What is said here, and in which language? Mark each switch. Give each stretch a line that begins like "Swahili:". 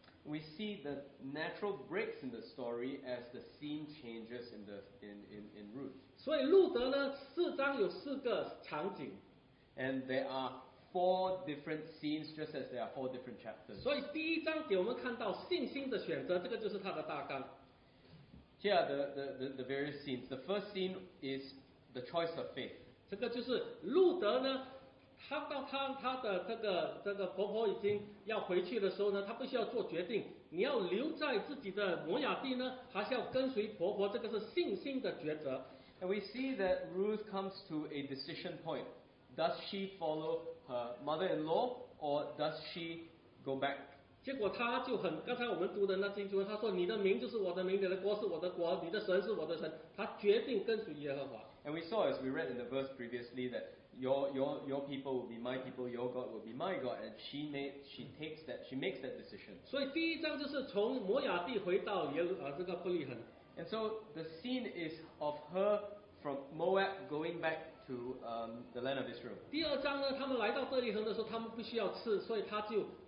English: we see the natural breaks in the story as the scene changes in the in Ruth.
Chinese: 所以路德呢，四章有四个场景。
English: And there are four different scenes, just as there are four different chapters.
Chinese: 所以第一章给我们看到信心的选择，这个就是它的大纲。
English: Here are the various scenes. The first scene is the choice of faith.
Chinese: 这个就是路德呢，他到他的这个婆婆已经要回去的时候呢，他必须要做决定。你要留在自己的摩亚地呢，还是要跟随婆婆？这个是信心的抉择。
English: And we see that Ruth comes to a decision point. Does she follow her mother-in-law or does she go back?
Chinese: 结果他就很，刚才我们读的那经文，他说：“你的名就是我的名，你的国是我的国，你的神是我的神。” 他决定跟随耶和华。
English: And we saw as we read in the verse previously that your people will be my people, your God will be my God, and she makes that decision.
Chinese: 所以第一章就是从摩亚地回到这个伯利恒。
English: And so the scene is of her from Moab going back to the land of Israel.
Chinese: 第二章呢，他们来到伯利恒的时候，他们不需要吃，所以他就。